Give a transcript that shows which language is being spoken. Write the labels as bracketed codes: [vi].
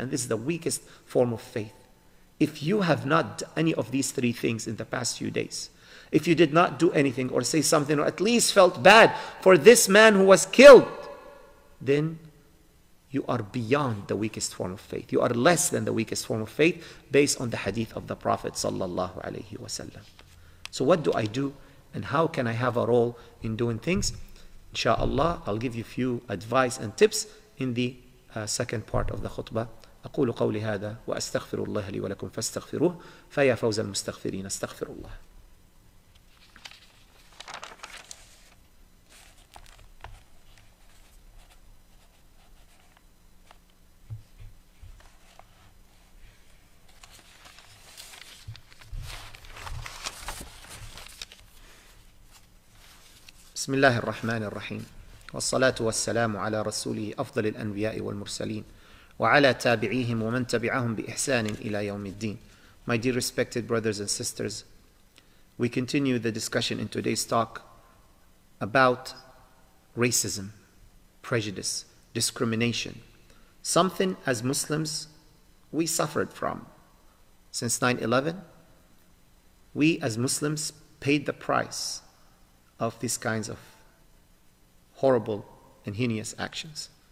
[en] And this is the weakest form of faith. If you have not done any of these three things in the past few days, if you did not do anything or say something or at least felt bad for this man who was killed, then you are beyond the weakest form of faith. You are less than the weakest form of faith based on the hadith of the Prophet sallallahu alayhi wa sallam. So what do I do and how can I have a role in doing things? Insha'Allah, I'll give you a few advice and tips in the second part of the khutbah. [ar] أقول قولي هذا وأستغفر الله لي ولكم فاستغفروه فيا فوز المستغفرين استغفر الله. بسم الله الرحمن الرحيم والصلاة والسلام على رسوله أفضل الأنبياء والمرسلين وعلى تابعيهم ومن تبعهم بإحسان إلى يوم الدين. [en] My dear respected brothers and sisters, we continue the discussion in today's talk about racism, prejudice, discrimination, something as Muslims we suffered from. Since 9/11, we as Muslims paid the price of these kinds of horrible and heinous actions.